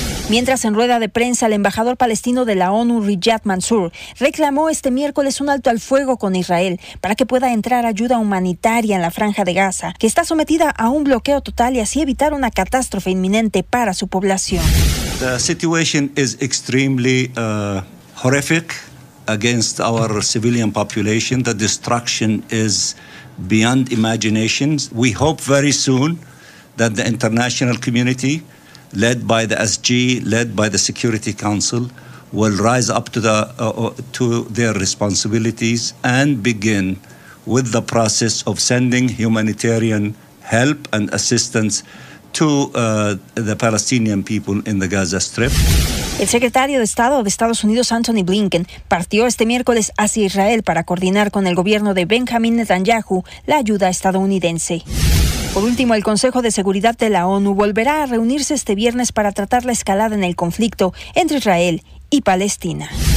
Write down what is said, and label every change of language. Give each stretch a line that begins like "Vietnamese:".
Spanish: Mientras en rueda de prensa, el embajador palestino de la ONU, Riyad Mansour, reclamó este miércoles un alto al fuego con Israel para que pueda entrar ayuda humanitaria en la Franja de Gaza, que está sometida a un bloqueo total y así evitar una catástrofe inminente para su población.
English: The situation is extremely horrific against our civilian population. The destruction is beyond imaginations. We hope very soon that the international community, led by the SG, led by the Security Council, will rise up to their responsibilities and begin with the process of sending humanitarian help and assistance to the Palestinian people in the Gaza Strip.
Spanish: El secretario de Estado de Estados Unidos, Antony Blinken, partió este miércoles hacia Israel para coordinar con el gobierno de Benjamin Netanyahu la ayuda estadounidense. Por último, el Consejo de Seguridad de la ONU volverá a reunirse este viernes para tratar la escalada en el conflicto entre Israel y Palestina.